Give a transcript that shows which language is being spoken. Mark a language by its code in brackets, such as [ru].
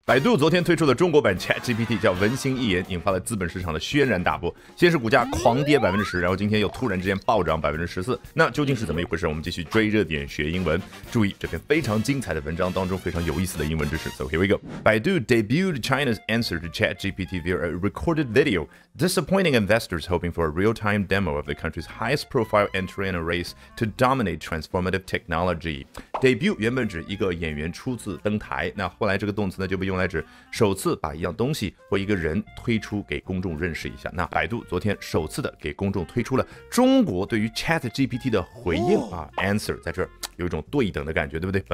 [zh] 百度昨天推出的中国版 ChatGPT 叫文心一言，引发了资本市场的轩然大波，先是股价狂跌 10%， 然后今天又突然之间暴涨 14%。那究竟是怎么一回事，我们继续追热点学英文。注意这篇非常精彩的文章当中非常有意思的英文知识。 [en] So here we go. Baidu debuted China's answer to ChatGPT via a recorded video, disappointing investors hoping for a real-time demo of the country's highest profile entry in a race to dominate transformative technology. [zh] Debut 原本指一个演员初次登台，那后来这个动词呢就被用来指首次把一样东西或一个人推出给公众认识一下。那百度昨天首次的给公众推出了中国对于 ChatGPT 的回应啊 answer， 在这儿有一种对等的感觉，对不对？